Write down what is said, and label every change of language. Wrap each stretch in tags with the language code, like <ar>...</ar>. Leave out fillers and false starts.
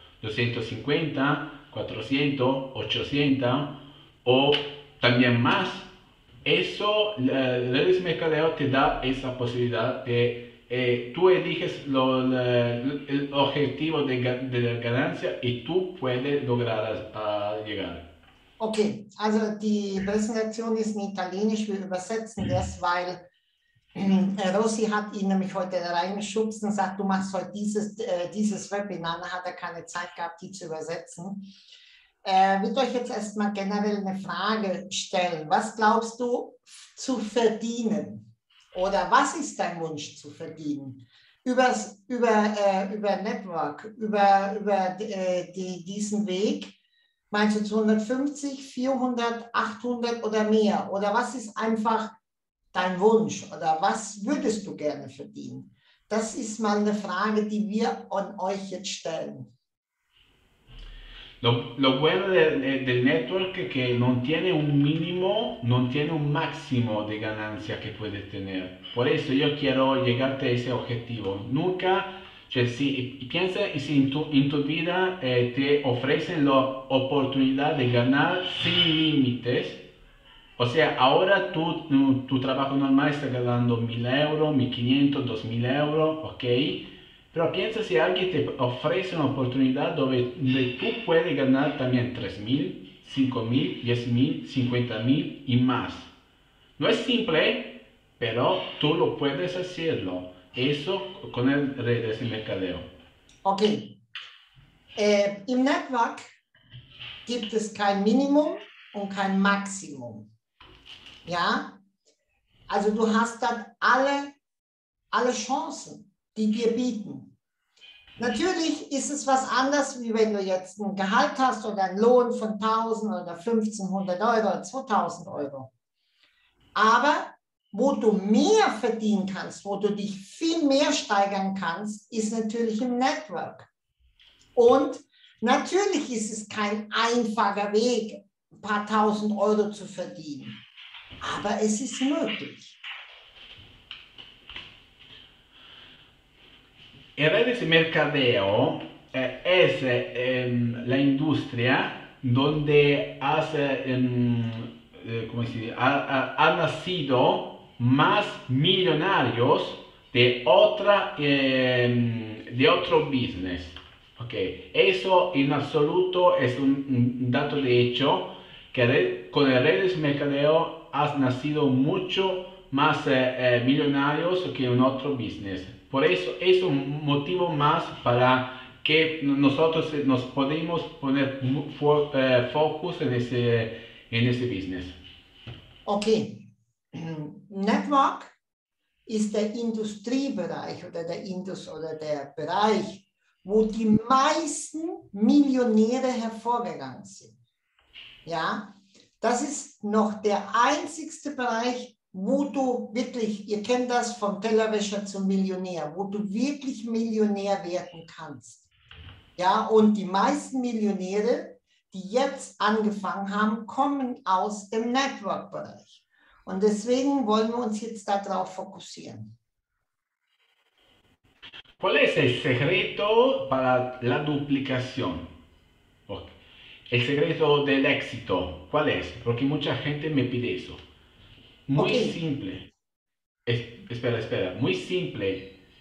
<es>¿250, 400, 800 o también más? Eso, redes de mercadeo te da esa posibilidad de tú eliges el objetivo de la ganancia y tú puedes lograr llegar.</es> <de>Okay, also die Präsentation ist in Italienisch. Wir übersetzen das, weil Rosi hat ihn nämlich heute reingeschubst und sagt, du machst heute dieses Webinar. Dann hat er keine Zeit gehabt, die zu übersetzen. Er wird euch jetzt erstmal generell eine Frage stellen. Was glaubst du zu verdienen? Oder was ist dein Wunsch zu verdienen? Über Network, diesen Weg? Meinst du zu 150, 400, 800 oder mehr? Oder was ist einfach dein Wunsch? Oder was würdest du gerne verdienen? Das ist mal eine Frage, die wir an euch jetzt stellen.</de> <es>Lo bueno del network es que no tiene un mínimo, no tiene un máximo de ganancia que puedes tener. Por eso yo quiero llegarte a ese objetivo. Nunca, si piensas y si en tu vida te ofrecen la oportunidad de ganar sin límites, o sea, ahora tu trabajo normal está ganando 1000 euros, 1500, 2000 euros, ok. Pero piensa si alguien te ofrece una oportunidad donde tú puedes ganar también 3.000, 5.000, 10.000, 50.000 y más. No es simple, pero tú lo puedes hacerlo. Eso con las redes de mercadeo.</es> <de>Okay, im Network gibt es kein Minimum und kein Maximum. Ja, also du hast dann alle Chancen, die wir bieten. Natürlich ist es was anderes, wie wenn du jetzt ein Gehalt hast oder einen Lohn von 1000 oder 1500 Euro oder 2000 Euro. Aber wo du mehr verdienen kannst, wo du dich viel mehr steigern kannst, ist natürlich im Network. Und natürlich ist es kein einfacher Weg, ein paar tausend Euro zu verdienen, aber es ist möglich. En redes de mercadeo es la industria donde ha nacido más millonarios de de otro business. Okay. Eso en absoluto es un dato de hecho, que con el redes de mercadeo has nacido mucho más millonarios que en otro business. Por eso es un motivo más para que nosotros nos podemos poner focus en ese business. Okay, Network ist der Industriebereich oder der Indus oder der Bereich, wo die meisten Millionäre hervorgegangen sind. Ja, das ist noch der einzigste Bereich, wo du wirklich, ihr kennt das vom Tellerwäscher zum Millionär, wo du wirklich Millionär werden kannst. Ja, und die meisten Millionäre, die jetzt angefangen haben, kommen aus dem Network-Bereich. Und deswegen wollen wir uns jetzt darauf fokussieren.</de> <es>¿Cuál es el secreto para la duplicación? El secreto del éxito, ¿cuál es? Porque mucha gente me pide eso. Ok. Muy simple. Espera, espera. Muy simple.</es>